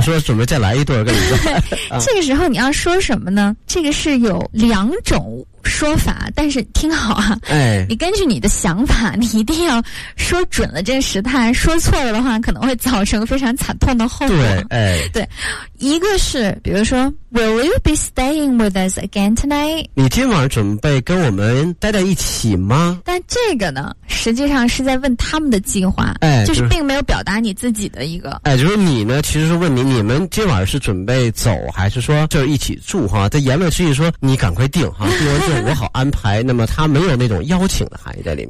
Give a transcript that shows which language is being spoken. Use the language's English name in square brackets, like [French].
[Chinese] 说准备再来一顿跟你说这个时候你要说什么呢？这个是有两种说法，但是听好啊，你根据你的想法，你一定要说准了这时态，说错了的话可能会造成非常惨痛的后果。对，一个是比如说 [English] Will you be staying with us again tonight? [Chinese] 你今晚准备跟我们待在一起吗？但这个呢实际上是在问他们的计划，就是并没有表达你自己的一个，就是你呢其实是问你们今晚是准备走还是说就是一起住哈，在言论之意说你赶快定哈，定完之后我好安排那么他没有那种邀请的含义在里面。